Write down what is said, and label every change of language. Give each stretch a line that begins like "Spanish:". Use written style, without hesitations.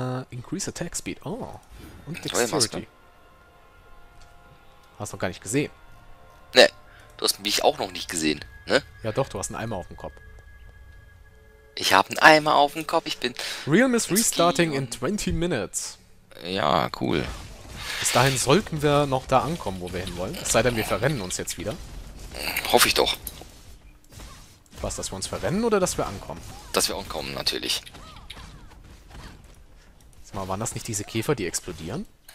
English: increase Attack Speed. Oh. Und Dexterity.
German: Hast du noch gar nicht gesehen. Nee, du hast mich auch noch nicht gesehen, ne? Ja doch, du hast einen Eimer auf dem Kopf. Ich habe einen Eimer auf dem Kopf, ich bin...
English: Realm is restarting in 20 minutes.
German: Ja, cool. Bis dahin sollten wir noch da ankommen, wo wir hinwollen. Es sei denn, wir verrennen uns jetzt wieder. Hoffe ich doch. Was, dass wir uns verrennen oder dass wir ankommen? Dass wir ankommen, natürlich. Sag mal, waren das nicht diese Käfer, die explodieren?